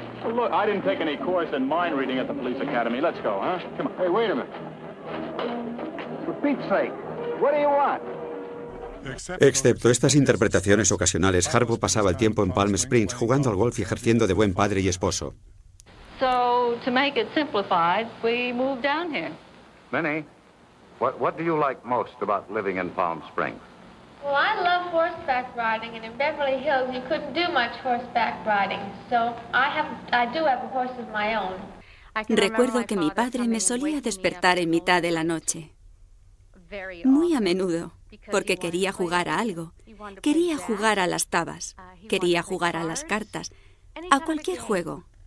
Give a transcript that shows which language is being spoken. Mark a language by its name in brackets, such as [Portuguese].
[English] Well, look, I didn't take any course in mind reading at the police academy. Let's go, huh? Come on. Hey, wait a minute. For Pete's sake, what do you want? [Spanish] Excepto estas interpretaciones ocasionales, Harpo pasaba el tiempo en Palm Springs jugando al golf y ejerciendo de buen padre y esposo. [English] So, to make it simplified, we moved down here. Minnie, what do you like most about living in Palm Springs? Well, I love horseback riding, and in Beverly Hills, you couldn't do much horseback riding. So I do have a horse of my own. [Spanish] Recuerdo que mi padre me solía despertar en mitad de la noche. Muy a menudo, porque quería jugar a algo. Quería jugar a las tabas, quería jugar a las cartas, a cualquier juego.